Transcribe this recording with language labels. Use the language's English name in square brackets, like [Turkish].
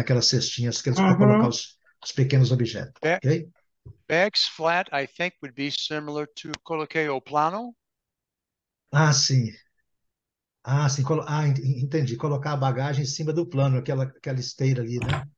[Portuguese] Aquelas cestinhas que eles podem colocar os pequenos objetos. Ok? [English] Bags flat, I think, would be similar to [Portuguese] coloquei o plano. Ah, sim. Ah, sim. Entendi. Colocar a bagagem em cima do plano, aquela esteira ali, né?